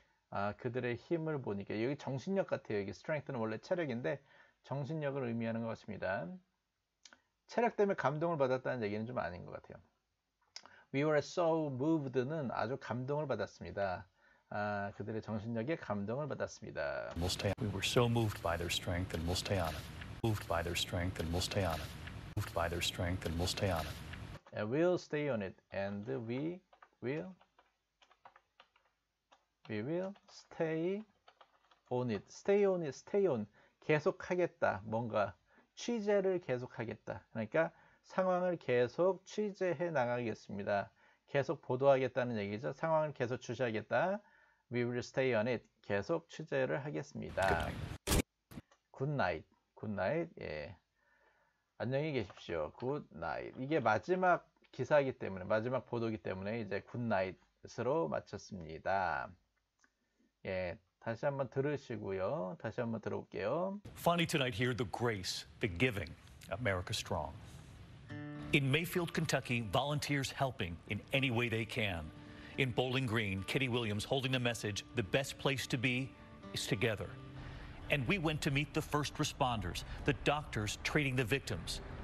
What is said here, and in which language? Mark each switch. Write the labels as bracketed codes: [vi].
[ko] 아, 그들의 힘을 보니까. 여기 정신력 같아요. 여기 strength는 원래 체력인데, 정신력을 의미하는 것 같습니다. 체력 때문에 감동을 받았다는 얘기는 좀 아닌 것 같아요. [en] We were so moved는 [ko] 아주 감동을 받았습니다. 아, 그들의 정신력에 감동을 받았습니다. [en] We'll stay on. We were so moved by their strength and we'll stay on it. Moved by their strength and we'll stay on it. Moved by their strength and we'll stay on it. And we'll stay on it. And we will stay on it. Stay on it. Stay on. [ko] 계속하겠다. 뭔가 취재를 계속하겠다. 그러니까 상황을 계속 취재해 나가겠습니다. 계속 보도하겠다는 얘기죠. 상황을 계속 주시하겠다. [en] We will stay on it. [ko] 계속 취재를 하겠습니다. [en] Good night. Good night. [ko] 예. 안녕히 계십시오. [en] Good night. [ko] 이게 마지막 기사이기 때문에, 마지막 보도이기 때문에 이제 굿나잇으로 마쳤습니다. 예, 다시 한번 들으시고요. 다시 한번 들어볼게요. [en] Finally tonight hear the grace, the giving, America strong. In Mayfield, Kentucky, volunteers helping in any way they can. In Bowling Green, Kitty Williams holding the message, the best place to be is together. And we went to meet the first responders, the doctors treating the victims.